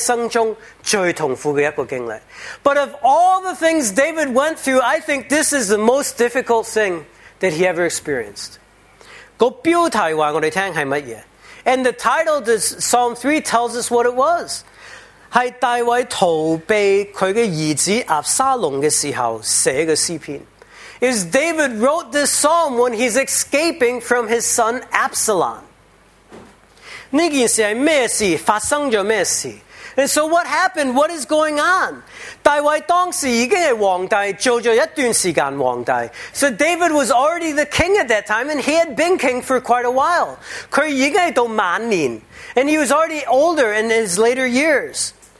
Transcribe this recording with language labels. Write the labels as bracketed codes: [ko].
[zh] 但是他所经历的事,这个经历应该是他一生中最痛苦的一个经历。 [en] But of all the things David went through, I think this is the most difficult thing that he ever experienced. [zh] 那标题告诉我们是什么? [en] And the title of Psalm 3 tells us what it was. [zh] 是大卫逃避他的儿子亚撒龙的时候写的诗篇。 [en] Is David wrote this psalm when he's escaping from his son Absalom. [zh] 那件事是什么事?发生了什么事? [en] And so what happened? What is going on? [zh] 大卫当时已经是皇帝,做了一段时间皇帝。 [en] So David was already the king at that time, and he had been king for quite a while. [zh] 他已经到晚年, [en] and he was already older in his later years.